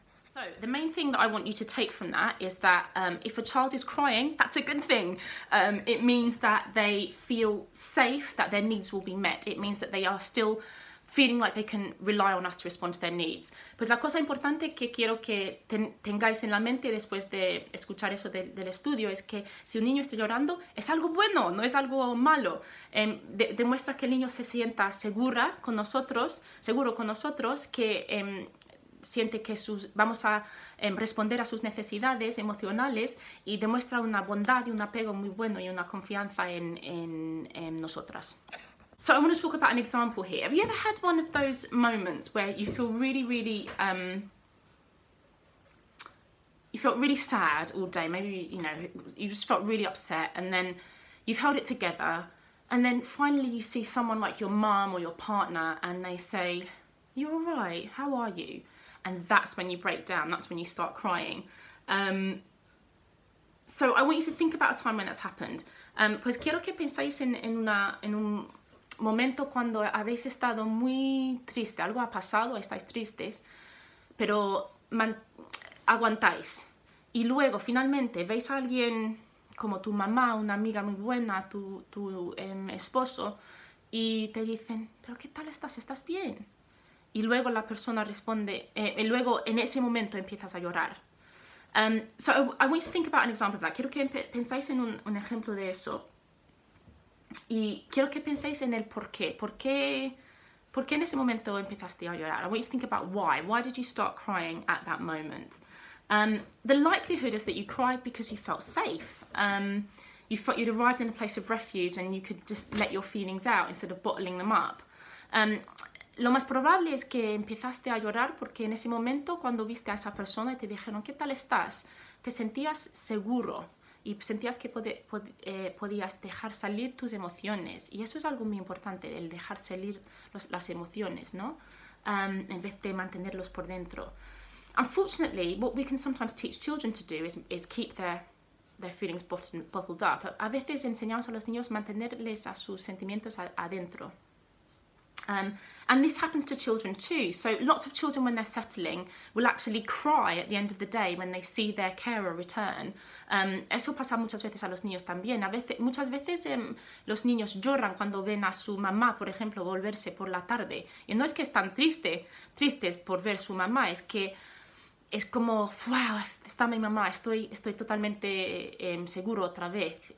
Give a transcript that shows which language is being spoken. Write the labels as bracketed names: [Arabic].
[English] So, the main thing that I want you to take from that is that if a child is crying, that's a good thing. It means that they feel safe, that their needs will be met. It means that they are still feeling like they can rely on us to respond to their needs. [Spanish] Pues la cosa importante que quiero que tengáis en la mente después de escuchar eso del estudio es que si un niño está llorando, es algo bueno, no es algo malo. Demuestra que el niño se sienta seguro con nosotros, que siente que vamos a responder a sus necesidades emocionales y demuestra una bondad y un apego muy bueno y una confianza en nosotras. [English] So I want to talk about an example here. Have you ever had one of those moments where you feel really, really, you felt really sad all day? Maybe, you know, you just felt really upset and then you've held it together and then finally you see someone like your mum or your partner and they say, "You're all right, how are you?" And that's when you break down, that's when you start crying. So I want you to think about a time when that's happened. [Spanish] Pues quiero que penséis en un momento cuando habéis estado muy triste, algo ha pasado, estáis tristes, pero aguantáis. Y luego, finalmente, veis a alguien como tu mamá, una amiga muy buena, tu esposo, y te dicen, "¿Pero qué tal estás? ¿Estás bien?" Y luego la persona responde, y luego en ese momento empiezas a llorar. [English] So I want you to think about an example of that. [Spanish] Quiero que penséis en un ejemplo de eso. Y quiero que penséis en el por qué. ¿Por qué en ese momento empezaste a llorar? [English] I want you to think about why. Why did you start crying at that moment? The likelihood is that you cried because you felt safe. you thought you'd arrived in a place of refuge and you could just let your feelings out instead of bottling them up. [Spanish] Lo más probable es que empezaste a llorar porque en ese momento cuando viste a esa persona y te dijeron ¿qué tal estás? Te sentías seguro y sentías que podías dejar salir tus emociones. Y eso es algo muy importante, el dejar salir las emociones, ¿no? En vez de mantenerlos por dentro. [English] Unfortunately, what we can sometimes teach children to do is keep their feelings bottled up. [Spanish] A veces enseñamos a los niños mantenerles a sus sentimientos adentro. [English] And this happens to children too. So lots of children, when they're settling, will actually cry at the end of the day when they see their carer return. [Spanish] Eso pasa muchas veces a los niños también. Muchas veces los niños lloran cuando ven a su mamá, por ejemplo, volverse por la tarde. Y no es que están tristes por ver su mamá, es que es como, wow, está mi mamá, estoy totalmente seguro otra vez.